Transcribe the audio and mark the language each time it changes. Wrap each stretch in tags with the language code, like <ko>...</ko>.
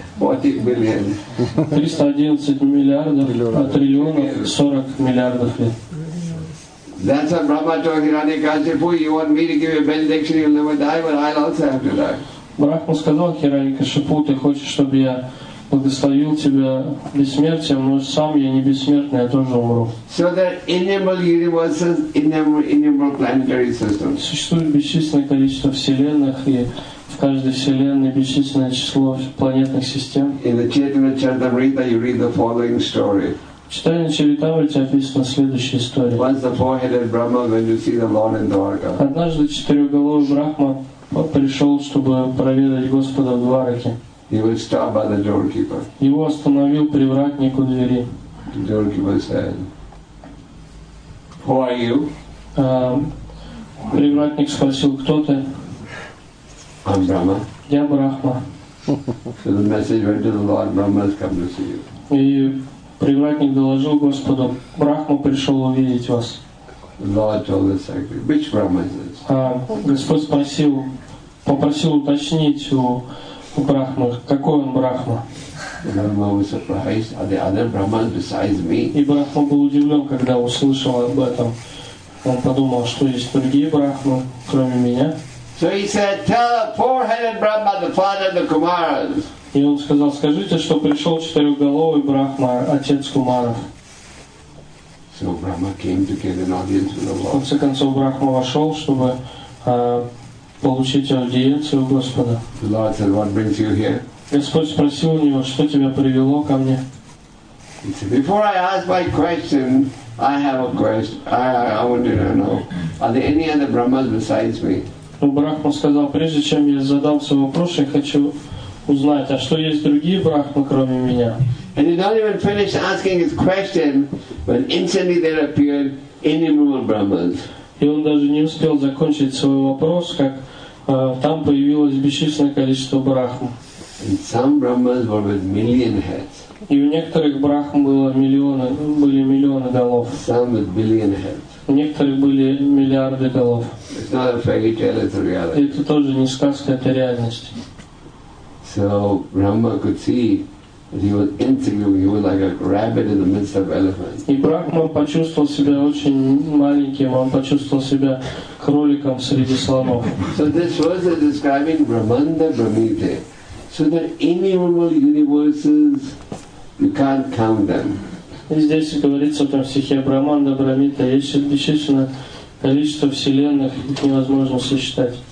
<ru>311 миллиардов, а триллионов 40 миллиардов лет.</ru> <en>That's a Brahmacharya Hirani Kashipu, you want me to give you a benediction, you'll never die, but I'll also have to die.</en> <ru>Брахма сказал, Хирани Кашипу, ты хочешь, чтобы я благословил тебя бессмертием, но сам я не бессмертный, я тоже умру.</ru> <en>So there are innumerable universes, innumerable planetary systems.</en> <ru>Существует бесчисленное количество вселенных, и в каждой вселенной бесчисленное число планетных систем.</ru> <en>In the Chaitanya Charitamrita you read the following story.</en> <ru>Читая Чаритамрите, описана следующая история.</ru> <en>Once the four-headed Brahma, when you see the Lord in Dwarka.</en> <ru>Однажды четырехголовый Брахма пришел, чтобы проведать Господа в Двараке.</ru> <en>He was stopped by the doorkeeper.</en> <ru>Его остановил привратник у двери.</ru> <en>The doorkeeper said, "Who are you?"</en> <ru>Привратник спросил, кто ты?</ru> <en>I'm Brahma.</en> <ru>Я Брахма.</ru> <en>So the message went to the Lord, Brahma has come to see you.</en> <ru>И привратник доложил Господу, Брахма пришел увидеть вас.</ru> <en>Lord told the secretary, "Which Brahma is this?"</en> <ru>Господь спросил, попросил уточнить у Брахмы, какой он Брахма.</ru> <en>Brahma was surprised. Are there other Brahmas besides me?</en> <ru>И Брахма был удивлен, когда услышал об этом. Он подумал, что есть другие Брахмы, кроме меня.</ru> <en>So he said, "Tell the four-headed Brahma, the father of the Kumaras."</en> <ru>И он сказал, скажите, что пришел четырехголовый Брахма, отец Кумаров.</ru> <en>So Brahma came to get an audience with the Lord.</en> <ru>В конце концов, Брахма вошел, чтобы получить аудиенцию у Господа.</ru> <en>The Lord said, "What brings you here?"</en> <ru>Господь спросил у него, что тебя привело ко мне.</ru> <en>He said, "Before I ask my question, I have a question. I want to know, are there any other Brahmas besides me?"</en> <ru>Но Брахма сказал, прежде чем я задам свой вопрос, я хочу узнать, а что есть другие Брахмы, кроме меня?</ru> <en>And he not even finished asking his question, but instantly there appeared innumerable Brahmas.</en> <ru>И он даже не успел закончить свой вопрос, как там появилось бесчисленное количество Брахм.</ru> <en>And some Brahmas were with million heads.</en> <ru>И у некоторых Брахм было миллионы, были миллионы голов.</ru> <en>Some with billion heads.</en> <ru>У некоторых были миллиарды голов.</ru> <en>It's not a fairy tale, it's a reality.</en> <ru>И это тоже не сказка, это реальность.</ru> <en>So Brahma could see that he was insignificant. He was like a rabbit in the midst of elephants.</en> <ru>И Брахма почувствовал себя очень маленьким. Он почувствовал себя кроликом среди слонов.</ru> <en>So this verse is describing Brahmanda Brahmite. So there are innumerable universes. You can't count them.</en> <ru>И здесь говорится в этом стихе Брахманда Брахмите есть бесчисленное количество вселенных, их невозможно сосчитать.</ru>